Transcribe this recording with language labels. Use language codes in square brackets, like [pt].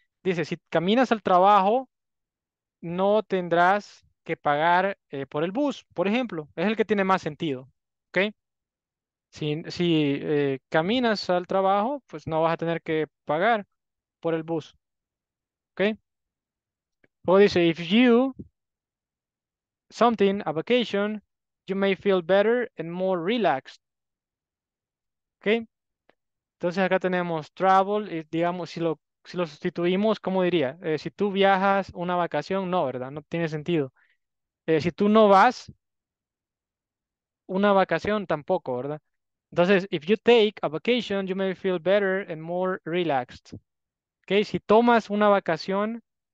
[es] Dice, si caminas al trabajo, no tendrás que pagar por el bus, por ejemplo. Es el que tiene más sentido, ¿ok? Si caminas al trabajo, pues no vas a tener que pagar por el bus. ¿Ok? O dice, [en] if you something, a vacation, you may feel better and more relaxed. [es] ¿Ok? Entonces acá tenemos travel, y digamos, si lo sustituimos, ¿cómo diría? Si tú viajas una vacación, no, ¿verdad? No tiene sentido. Si tú no vas una vacación, tampoco, ¿verdad? [en] Entonces, if you take a vacation, you may feel better and more relaxed. Okay, [es] si tomas una vacación,